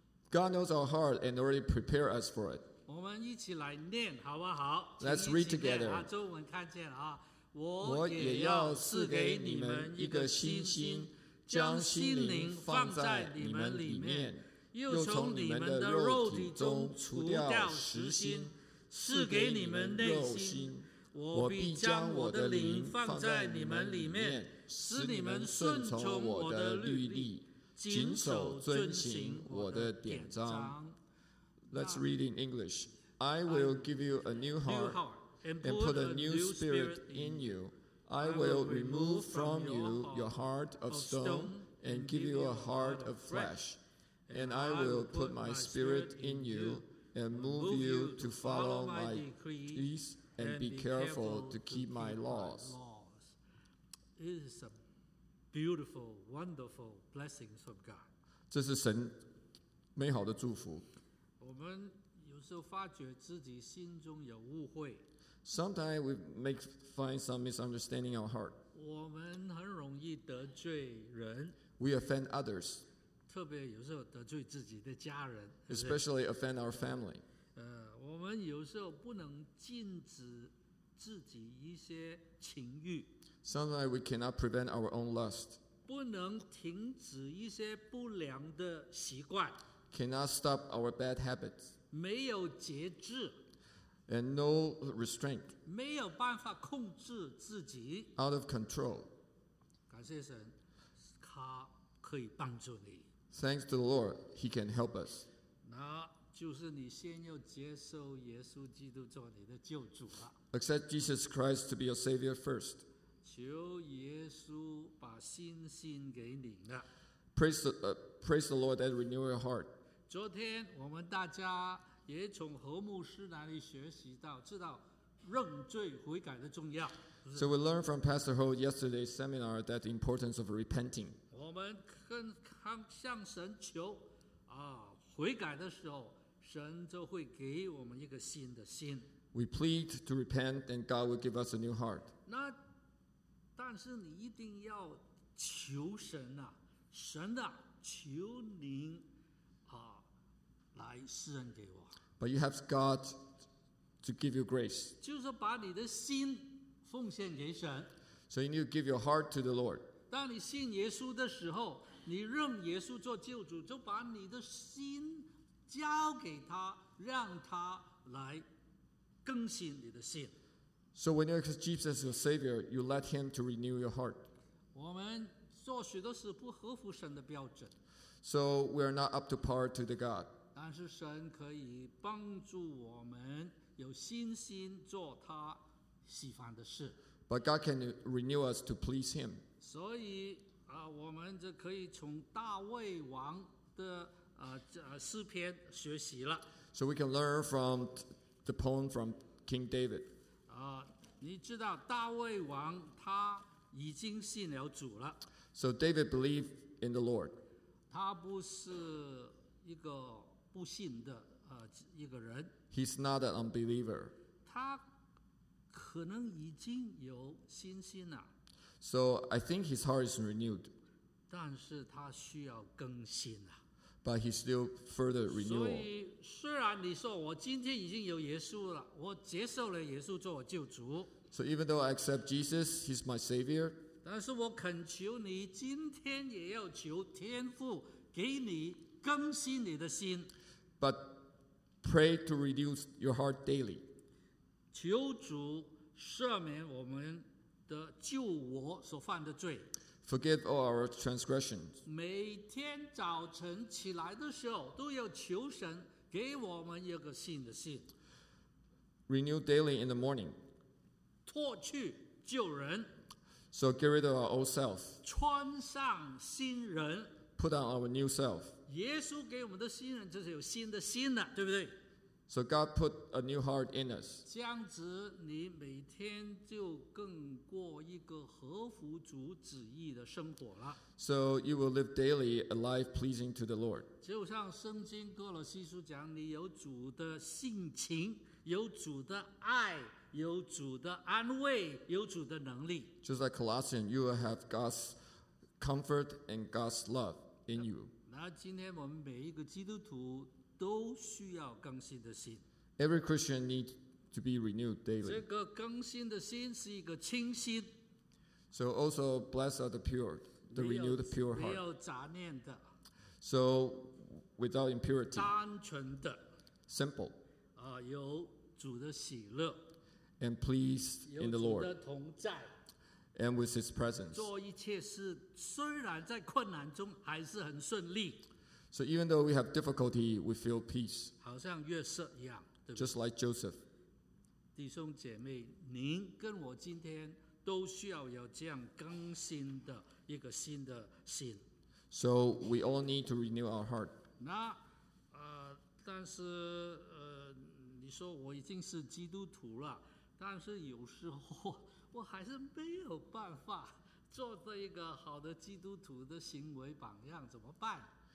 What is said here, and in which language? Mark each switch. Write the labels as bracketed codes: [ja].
[en] God knows our heart and already prepared us for it. [zh] 我们一起来念好不好？ [en] Let's read together. [zh] 中文看见啊，我也要赐给你们一个新心，将心灵放在你们里面，又从你们的肉体中除掉石心。赐给你们内心，我必将我的灵放在你们里面，使你们顺从我的律例，谨守遵行我的典章。 [en] Let's read in English. I will give you a new heart and put a new spirit in you. I will remove from you your heart of stone and give you a heart of flesh. And I will put my spirit in you. And move you to follow my decrees and be careful to keep my laws. It is a beautiful, wonderful blessing from God. [zh] 这是神美好的祝福。我们有时候发觉自己心中有误会。 [en] Sometimes we find some misunderstanding in our heart. [zh] 我们很容易得罪人。 [en] We offend others. [zh] 特别有时候得罪自己的家人 [en] especially offend our family [zh] 我们有时候不能禁止自己一些情欲 [en] sometimes we cannot prevent our own lust [zh] 不能停止一些不良的习惯 [en] cannot stop our bad habits [zh] 没有节制 [en] and no restraint [zh] 没有办法控制自己 [en] out of control [zh] 感谢神他可以帮助你 [en] Thanks to the Lord, He can help us. [zh] 那就是你先要接受耶稣基督做你的救主了。 [en] Accept Jesus Christ to be your Savior first. [zh] 求耶稣把新心给你了。 [en] Praise the Lord that renew your heart. [zh] 昨天我们大家也从何牧师那里学习到，知道认罪悔改的重要。 [en] So we learned from Pastor Ho yesterday's seminar that the importance of repenting. [zh] 我们跟向神求悔改的时候，神就会给我们一个新的心。 [en] We plead to repent, and God will give us a new heart. [zh] 那但是你一定要求神啊，神啊，求您来施恩给我。 [en] But you have God to give you grace. [zh] 就是把你的心奉献给神。 [en] So you need to give your heart to the Lord. [zh] 当你信耶稣的时候。你认耶稣做救主，就把你的心交给他，让他来更新你的心。 [en] So when you accept Jesus as your Savior, you let Him to renew your heart. [zh] 我们做许多事不合乎神的标准。 [en] So we are not up to par to the God. [zh] 但是神可以帮助我们有信心做他喜欢的事。 [en] But God can renew us to please Him. [zh] 所以我们就可以从大卫王的诗篇学习了。 [en] So we can learn from the poem from King David. [zh] 你知道大卫王他已经信了主了。 [en] So David believed in the Lord. [zh] 他不是一个不信的一个人。 [en] He's not an unbeliever. [zh] 他可能已经有信心了。 [en] So I think his heart is renewed. [zh] 但是他需要更新了。 [en] But he's still further renewal. [zh] 所以虽然你说我今天已经有耶稣了，我接受了耶稣做我救主。 [en] So even though I accept Jesus, he's my savior. [zh] 但是我恳求你今天也要求天父给你更新你的心。 [en] But pray to renew your heart daily. [zh] 求主赦免我们的救我所犯的罪。 [en] Forgive all our transgressions. [zh] 每天早晨起来的时候都要求神给我们一个新的心。 [en] Renew daily in the morning. [zh] 脱去旧人。 [en] So get rid of our old self. [zh] 穿上新人。 [en] Put on our new self. [zh] 耶稣给我们的新人就是有新的心了，对不对？ [en] So God put a new heart in us. [zh] 这样子你每天就更过一个合乎主旨意的生活了。 [en] So you will live daily a life pleasing to the Lord. [zh] 就像圣经哥罗西书讲，你有主的性情，有主的爱，有主的安慰，有主的能力。 [en] Just like Colossians, you will have God's comfort and God's love in you. [zh] 那今天我们每一个基督徒都需要更新的心。 [en] Every Christian needs to be renewed daily. [zh] 这个更新的心是一个清心。 [en] So also blessed are the pure, the renewed pure heart. [zh] 没有杂念的。 [en] So without impurity. [zh] 单纯的。 [en] Simple. [zh] 有主的喜乐。 [en] And pleased in the Lord. [zh] 有主的同在。 [en] And with His presence. [zh] 做一切事，虽然在困难中还是很顺利。 [en] So even though we have difficulty, we feel peace. [zh] 好像约瑟一样，对不对？ [en] Just like Joseph. [zh] 弟兄姐妹，您跟我今天都需要有这样更新的一个新的心。 [en] So we all need to renew our heart. [zh] 那，但是，你说我已经是基督徒了，但是有时候我还是没有办法做这一个好的基督徒的行为榜样，怎么办？